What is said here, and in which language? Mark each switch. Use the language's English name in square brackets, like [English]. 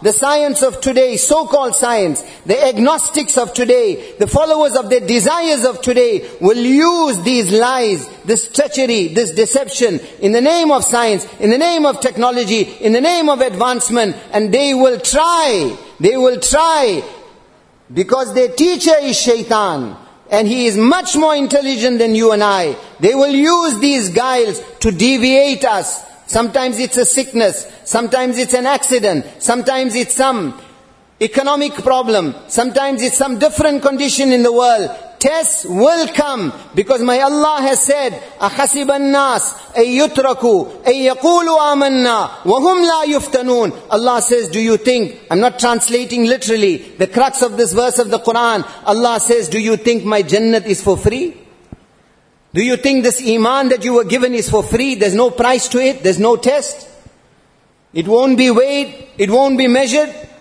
[English] The science of today, so-called science, the agnostics of today, the followers of their desires of today will use these lies, this treachery, this deception in the name of science, in the name of technology, in the name of advancement, and they will try because their teacher is Shaitan, and he is much more intelligent than you and I. They will use these guiles to deviate us. Sometimes it's a sickness, sometimes it's an accident, sometimes it's some economic problem, sometimes it's some different condition in the world. Tests will come, because my Allah has said, [Arabic] أَخَسِبَ النَّاسِ أَن يُتْرَكُوا أَن يَقُولُوا آمَنَّا وَهُمْ لَا يُفْتَنُونَ. [English] Allah says, do you think, I'm not translating literally, the crux of this verse of the Quran, Allah says, do you think my Jannat is for free? Do you think this iman that you were given is for free? There's no price to it, there's no test. It won't be weighed, it won't be measured.